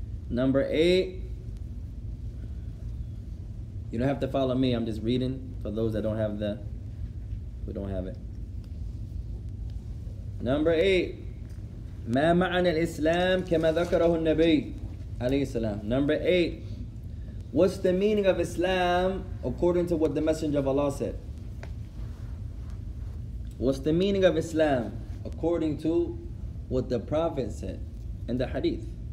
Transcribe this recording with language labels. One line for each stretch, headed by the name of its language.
English: Number 8, you don't have to follow me, I'm just reading for those that don't have the, who don't have it. Number 8,
Arabic: ما معنى الإسلام كما ذكره النبي عليه السلام.
English: Number 8, what's the meaning of Islam according to what the Messenger of Allah said? What's the meaning of Islam according to what the Prophet said in the Hadith?